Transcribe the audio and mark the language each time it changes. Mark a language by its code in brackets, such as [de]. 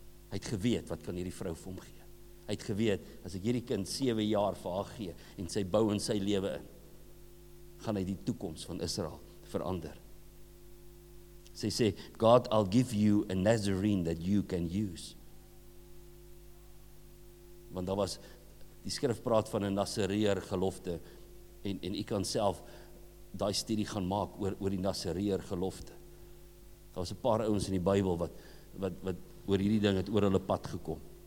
[af] Hy het geweet, wat kan hierdie vrou vir hom gee. Hy het geweet, as ek hierdie kind 7 jaar vir haar gee, en sy bou in sy lewe in, gaan hy die toekoms van Israel verander. Sy sê, [en] God, I'll give you a Nazarene that you can use. [af] Want daar was, die skrif praat van 'n Nazareer gelofte, en ek kan self daai studie gaan maak oor die Nazareer gelofte. Daar was 'n paar ouens in die Bybel wat oor hierdie ding het oor hulle pad gekom.